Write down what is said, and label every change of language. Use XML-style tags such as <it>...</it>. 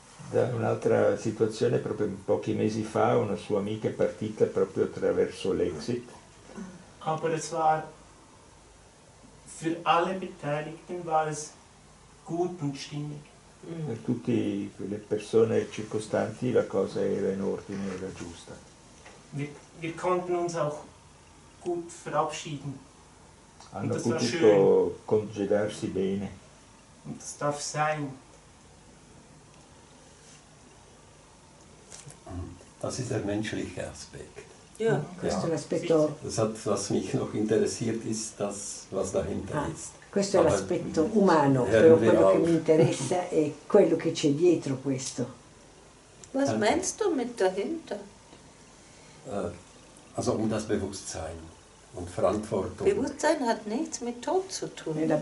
<it>Da un'altra situazione, proprio pochi mesi fa, una sua amica è partita proprio attraverso l'exit.</it> <de>Aber es war für alle Beteiligten war es gut und stimmig.</de> <it>Per tutte le persone circostanti la cosa era in ordine, era giusta.</it> <de>Wir konnten uns auch gut verabschieden.</de> <it>Hanno potuto congedarsi bene.</it> <de>Und das darf sein. Das ist der menschliche Aspekt.</de> <it>Ja, questo è l'aspetto.</it> <de>Das hat, was mich noch interessiert, ist das, was dahinter ist.</de> <it>Questo è l'aspetto umano, però quello che mi interessa è quello che c'è dietro questo.</it> <de>Was meinst du mit dahinter? Also um das Bewusstsein und Verantwortung. Bewusstsein hat nichts mit Tod zu tun.</de>